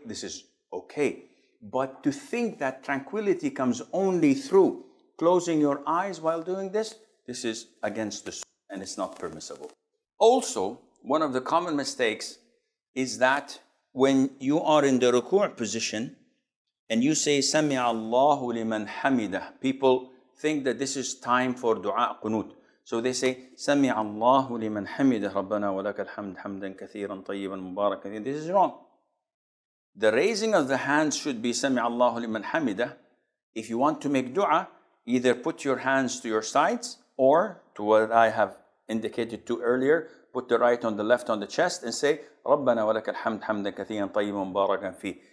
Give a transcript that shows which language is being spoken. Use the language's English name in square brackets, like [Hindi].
[English] This is okay. But to think that tranquility comes only through closing your eyes while doing this, this is against the sunnah and it's not permissible. Also, one of the common mistakes is that when you are in the ruku' position and you say, Sami'a Allahu liman hamidah, people think that this is time for dua qunut. So they say, [Arabic] سَمِعَ اللَّهُ لِمَنْ حَمِدَ رَبَّنَا وَلَكَ الْحَمْدِ حَمْدًا كَثِيرًا طَيِّبًا مُبَارَكًا. [English] This is wrong. The raising of the hands should be [Arabic] سَمِعَ اللَّهُ لِمَنْ حَمِدَ. [English] If you want to make dua, either put your hands to your sides or to what I have indicated to earlier, put the right on the left on the chest and say, [Arabic] رَبَّنَا وَلَكَ الْحَمْدِ حَمْدًا كَثِيرًا طَيِّبًا مُبَارَكًا فِيهِ.